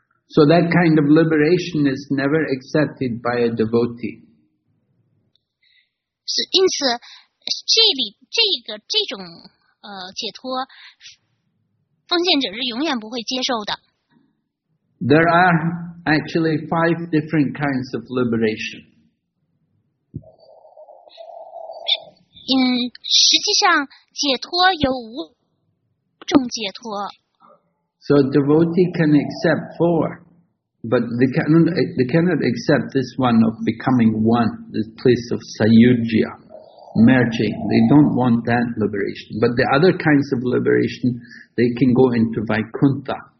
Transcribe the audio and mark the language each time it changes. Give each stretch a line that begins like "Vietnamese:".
English: So that kind of liberation is never accepted by a devotee.
Chinese: 是因此，这里这个这种解脱，奉献者是永远不会接受的。
English: There are actually five different kinds of liberation.
Chinese: 实际上解脱有五种解脱。
English: So a devotee can accept four, but they cannot accept this one of becoming one, this place of sayujya, merging. They don't want that liberation. But the other kinds of liberation, they can go into Vaikuntha.